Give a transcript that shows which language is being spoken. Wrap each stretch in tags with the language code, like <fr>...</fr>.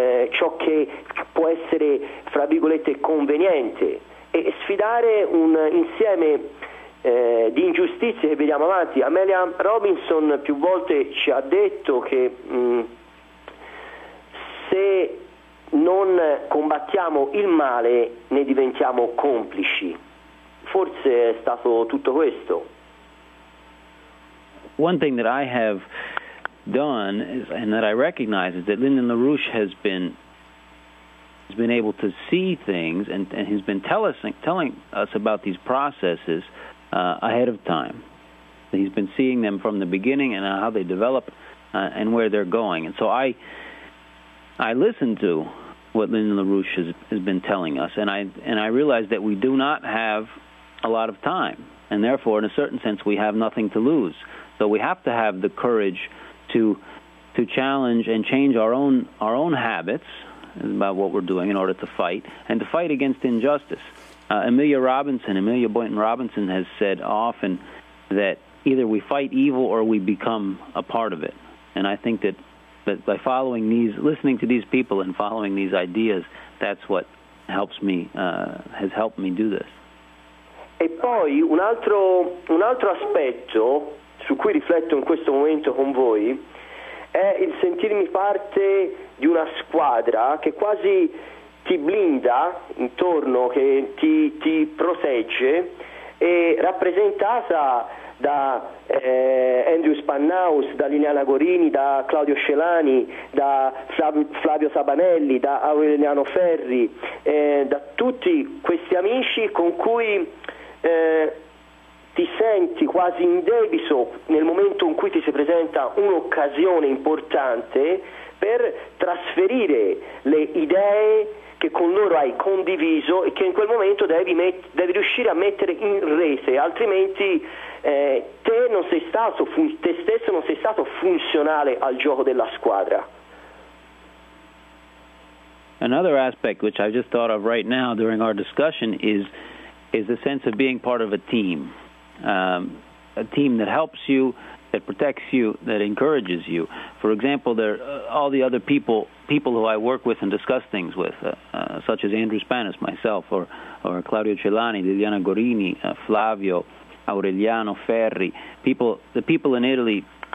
<it>ciò che può essere fra virgolette conveniente, e sfidare un insieme di ingiustizie che vediamo avanti. Amelia Robinson più volte ci ha detto che se non combattiamo il male ne diventiamo complici. Forse è stato tutto questo.</it> <en>One thing that I have done is, and that I recognize is that Lyndon LaRouche has been able to see things and he's been telling us about these processes ahead of time. He's been seeing them from the beginning and how they develop and where they're going. And so I listen to what Lyndon LaRouche has been telling us, and I realize that we do not have a lot of time, and therefore, in a certain sense, we have nothing to lose. So we have to have the courage to challenge and change our own habits about what we're doing in order to fight, and to fight against injustice. Emilia Boynton Robinson has said often that either we fight evil or we become a part of it. And I think that by following these, listening to these people and following these ideas, that's what helps me, has helped me do this.</en> <it>E poi un altro aspetto su cui rifletto in questo momento con voi è il sentirmi parte di una squadra che quasi ti blinda intorno, che ti protegge, e rappresentata da Andrew Spannaus, da Liliana Gorini, da Claudio Scelani, da Flavio Sabanelli, da Aureliano Ferri, da tutti questi amici con cui ti senti quasi in debito nel momento in cui ti si presenta un'occasione importante per trasferire le idee che con loro hai condiviso e che in quel momento devi riuscire a mettere in rete, altrimenti te stesso non sei stato funzionale al gioco della squadra.</it> <en>Another aspect which I just thought of right now during our discussion is the sense of being part of a team that helps you, that protects you, that encourages you. For example, there all the other people who I work with and discuss things with, such as Andrew Spanis, myself, or Claudio Celani, Liliana Gorini, Flavio, Aureliano Ferri, the people in Italy.</en>